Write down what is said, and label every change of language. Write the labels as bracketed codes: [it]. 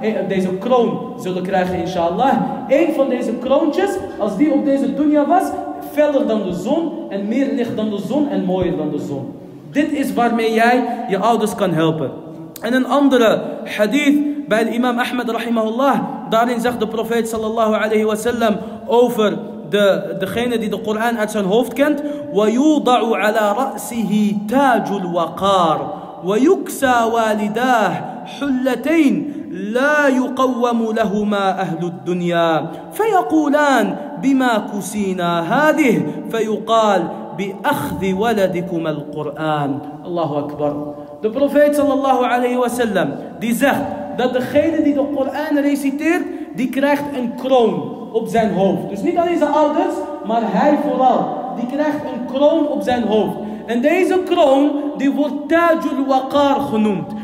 [nl] Deze kroon zullen krijgen inshallah. Eén van deze kroontjes, als die op deze dunya was, feller dan de zon en meer licht dan de zon en mooier dan de zon. Dit is waarmee jij je ouders kan helpen. En een andere hadith bij de imam Ahmed rahimahullah. Daarin zegt de profeet sallallahu alayhi wa sallam over degene die de Koran uit zijn hoofd kent. [ar] وَيُوضَعُ عَلَىٰ رَأْسِهِ تَاجُ الْوَقَارِ وَيُكْسَى وَالِدَاهِ حُلَّتَيْنِ لا يقوم لهما أهل الدنيا فيقولان بما كسينا هذه فيقال بأخذ ولدكم القرآن. الله أكبر. [nl] De profeet sallallahu alayhi wa sallam die zegt dat degene die de Koran reciteert, die krijgt een kroon op zijn hoofd. Dus niet alleen zijn ouders, maar hij vooral. Die krijgt een kroon op zijn hoofd. En deze kroon, die wordt Tajul Waqar genoemd.